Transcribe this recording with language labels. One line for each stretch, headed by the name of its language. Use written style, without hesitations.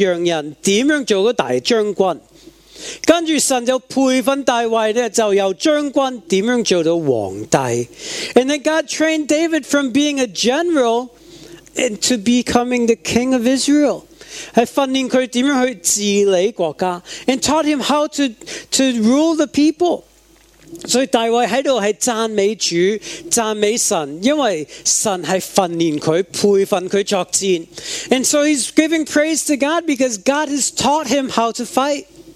Chinese: 神就训练他又做牧羊人，怎样做个大将军。跟着神就培训大卫，就有将军怎样做到皇帝。
English: And then God trained David from being a general into becoming the king of Israel.
Chinese: 还训练他怎样去治理国家,
English: and taught him how to rule the people.
Chinese: 所以大卫在这里是赞美主、赞美神，因为神是训练他、培训他作战。
English: And so he's giving praise to God because God has taught him how to fight.